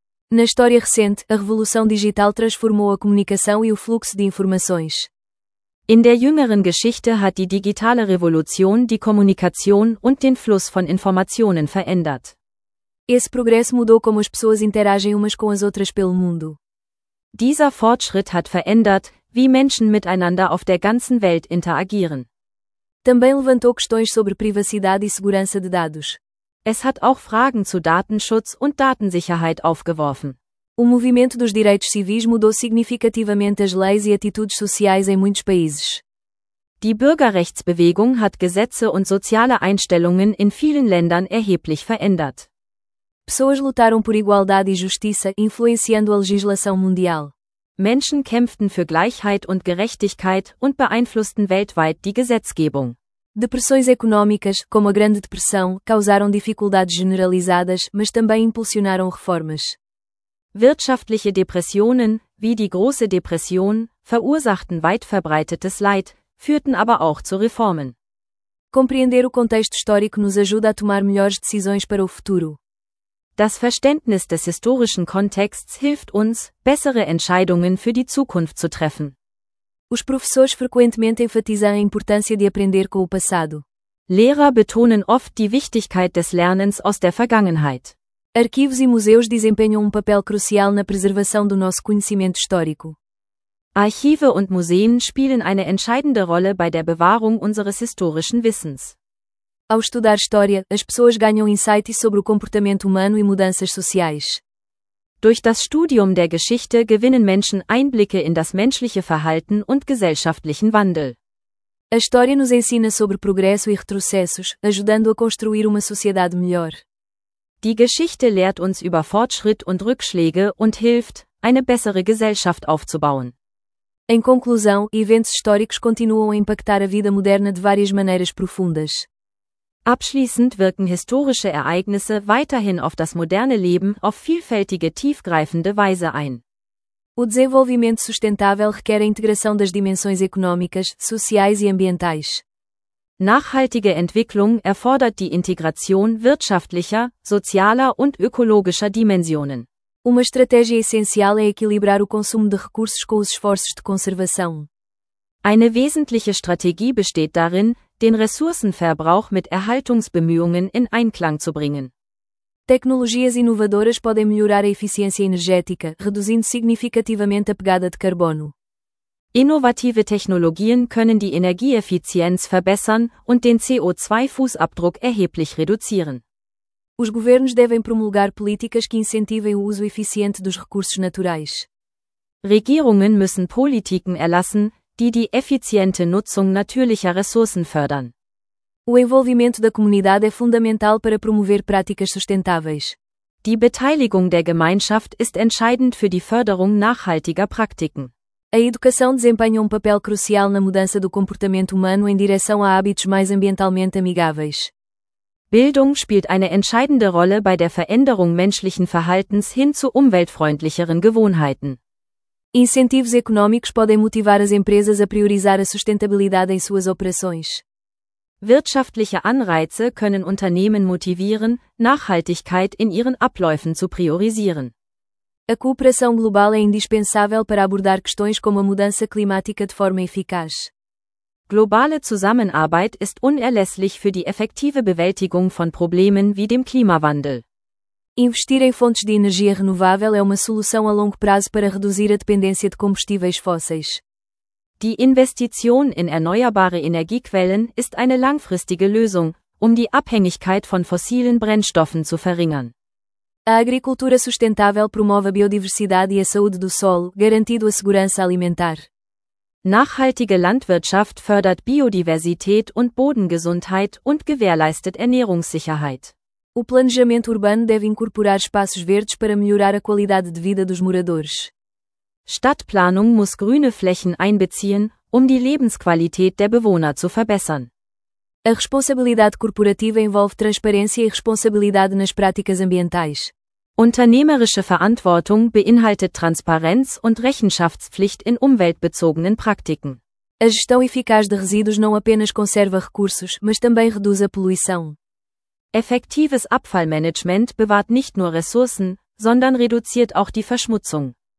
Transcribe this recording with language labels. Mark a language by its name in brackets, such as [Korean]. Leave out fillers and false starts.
[Portuguese] Na história recente, a revolução digital transformou a comunicação e o fluxo de informações. [German] In der jüngeren Geschichte hat die digitale Revolution die Kommunikation und den Fluss von Informationen verändert. [Portuguese] Esse progresso mudou como as pessoas interagem umas com as outras pelo mundo. [German] Dieser Fortschritt hat verändert, wie Menschen miteinander auf der ganzen Welt interagieren. [Portuguese] Também levantou questões sobre privacidade e segurança de dados. [German] Es hat auch Fragen zu Datenschutz und Datensicherheit aufgeworfen. [Portuguese] O movimento dos direitos civis mudou significativamente as leis e atitudes sociais em muitos países. [German] Die Bürgerrechtsbewegung hat Gesetze und soziale Einstellungen in vielen Ländern erheblich verändert. [Portuguese] Pessoas lutaram por igualdade e justiça, influenciando a legislação mundial. [German] Menschen kämpften für Gleichheit und Gerechtigkeit und beeinflussten weltweit die Gesetzgebung. [Portuguese] Depressões econômicas, como a Grande Depressão, causaram dificuldades generalizadas, mas também impulsionaram reformas. [German] Wirtschaftliche Depressionen, wie die Große Depression, verursachten weit verbreitetes Leid, führten aber auch zu Reformen. [Portuguese] Compreender o contexto histórico nos ajuda a tomar melhores decisões para o futuro. [German] Das Verständnis des historischen Kontexts hilft uns, bessere Entscheidungen für die Zukunft zu treffen. [Portuguese] Os professores frequentemente enfatizam a importância de aprender com o passado. [German] Lehrer betonen oft die Wichtigkeit des Lernens aus der Vergangenheit. [Portuguese] Arquivos e museus desempenham papel crucial na preservação do nosso conhecimento histórico. [German] Archive und Museen spielen eine entscheidende Rolle bei der Bewahrung unseres historischen Wissens. [Portuguese] Ao estudar história, as pessoas ganham insights sobre o comportamento humano e mudanças sociais. [German] Durch das Studium der Geschichte gewinnen Menschen Einblicke in das menschliche Verhalten und gesellschaftlichen Wandel. [Portuguese] A história nos ensina sobre progresso e retrocessos, ajudando a construir uma sociedade melhor. [German] Die Geschichte lehrt uns über Fortschritt und Rückschläge und hilft, eine bessere Gesellschaft aufzubauen. [Portuguese] Em conclusão, eventos históricos continuam a impactar a vida moderna de várias maneiras profundas. [German] Abschließend wirken historische Ereignisse weiterhin auf das moderne Leben auf vielfältige, tiefgreifende Weise ein. [Portuguese] O desenvolvimento sustentável requer a integração das dimensões econômicas, sociais e ambientais. [German] Nachhaltige Entwicklung erfordert die Integration wirtschaftlicher, sozialer und ökologischer Dimensionen. [Portuguese] Uma estratégia essencial é equilibrar o consumo de recursos com os esforços de conservação. [German] Eine wesentliche Strategie besteht darin, den Ressourcenverbrauch mit Erhaltungsbemühungen in Einklang zu bringen. [Portuguese] Tecnologias inovadoras podem melhorar a eficiência energética, reduzindo significativamente a pegada de carbono. [German] Innovative Technologien können die Energieeffizienz verbessern und den CO2-Fußabdruck erheblich reduzieren. [Portuguese] Os governos devem promulgar políticas que incentivem o uso eficiente dos recursos naturais. [German] Regierungen müssen Politiken erlassen, die die effiziente Nutzung natürlicher Ressourcen fördern. [Portuguese] O envolvimento da comunidade é fundamental para promover práticas sustentáveis. [German] Die Beteiligung der Gemeinschaft ist entscheidend für die Förderung nachhaltiger Praktiken. [Portuguese] A educação desempenha papel crucial na mudança do comportamento humano em direção a hábitos mais ambientalmente amigáveis. [German] Bildung spielt eine entscheidende Rolle bei der Veränderung menschlichen Verhaltens hin zu umweltfreundlicheren Gewohnheiten. [Portuguese] Incentivos econômicos podem motivar as empresas a priorizar a sustentabilidade em suas operações. [German] Wirtschaftliche Anreize können Unternehmen motivieren, Nachhaltigkeit in ihren Abläufen zu priorisieren. [Portuguese] A cooperação global é indispensável para abordar questões como a mudança climática de forma eficaz. [German] Globale Zusammenarbeit ist unerlässlich für die effektive Bewältigung von Problemen wie dem Klimawandel. [Portuguese] Investir em fontes de energia renovável é uma solução a longo prazo para reduzir a dependência de combustíveis fósseis. [German] Die Investition in erneuerbare Energiequellen ist eine langfristige Lösung, die Abhängigkeit von fossilen Brennstoffen zu verringern. [Portuguese] A agricultura sustentável promove a biodiversidade e a saúde do solo, garantindo a segurança alimentar. [German] Nachhaltige Landwirtschaft fördert Biodiversität und Bodengesundheit und gewährleistet Ernährungssicherheit. [Portuguese] O planejamento urbano deve incorporar espaços verdes para melhorar a qualidade de vida dos moradores. [German] Stadtplanung muss grüne Flächen einbeziehen, die Lebensqualität der Bewohner zu verbessern. [Portuguese] A responsabilidade corporativa envolve transparência e responsabilidade nas práticas ambientais. [German] Unternehmerische Verantwortung beinhaltet Transparenz und Rechenschaftspflicht in umweltbezogenen Praktiken. [Portuguese] A gestão eficaz de resíduos não apenas conserva recursos, mas também reduz a poluição. [German] Effektives Abfallmanagement bewahrt nicht nur Ressourcen, sondern reduziert auch die Verschmutzung.